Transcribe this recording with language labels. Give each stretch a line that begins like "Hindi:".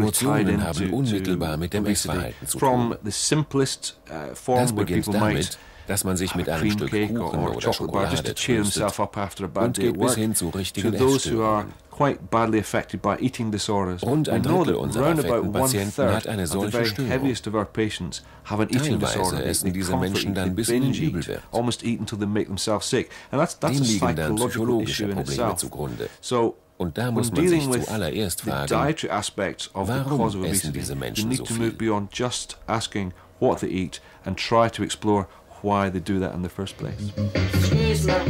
German: Emotionen haben unmittelbar mit dem Essverhalten zu tun.
English: From the simplest form,
German: das beginnt damit, dass man sich mit einem Stück Kuchen oder Schokolade
English: just to cheer himself up after a bad
German: und geht bis hin zu richtigen Essstörungen.
English: Quite badly affected by eating disorders.
German: Und ein Drittel unserer Patienten hat eine solche Störung.
English: Heaviest of our patients have an eating disorder.
German: Teilweise essen diese Menschen dann bis in die Übel wird.
English: Almost eat until they make themselves sick. And that's
German: dem liegen dann psychologische Probleme zugrunde.
English: So,
German: und da muss man sich zuallererst fragen, warum essen diese Menschen so viel?
English: To move beyond just asking what they eat and try to explore why they do that in the first place.